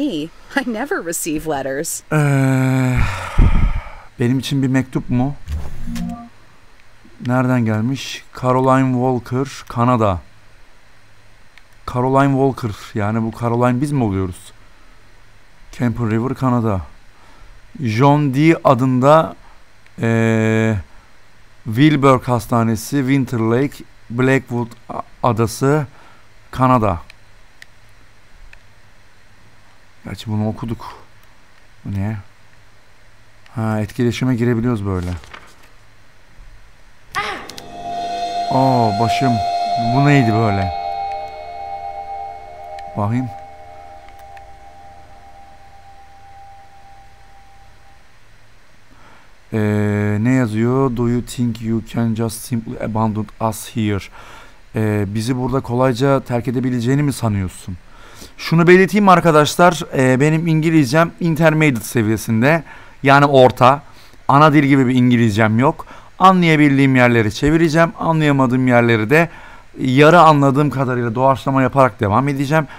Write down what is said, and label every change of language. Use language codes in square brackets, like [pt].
[en] I never receive letters. [tr] Benim için bir mektup mu? Nereden gelmiş? Caroline Walker, Kanada. Caroline Walker. Yani bu Caroline biz mi oluyoruz? Camper River, Kanada. John D. adında Wilbur Hastanesi, Winter Lake, Blackwood Adası, Kanada. Gerçi bunu okuduk. Bu ne? Ha, etkileşime girebiliyoruz böyle. Oo, başım. Bu neydi böyle? Bakayım. Ne yazıyor? [en] Do you think you can just simply abandon us here? [tr] Bizi burada kolayca terk edebileceğini mi sanıyorsun? Şunu belirteyim arkadaşlar. Benim İngilizcem intermediate seviyesinde. Yani orta. Ana dil gibi bir İngilizcem yok. Anlayabildiğim yerleri çevireceğim. Anlayamadığım yerleri de yarı anladığım kadarıyla doğaçlama yaparak devam edeceğim.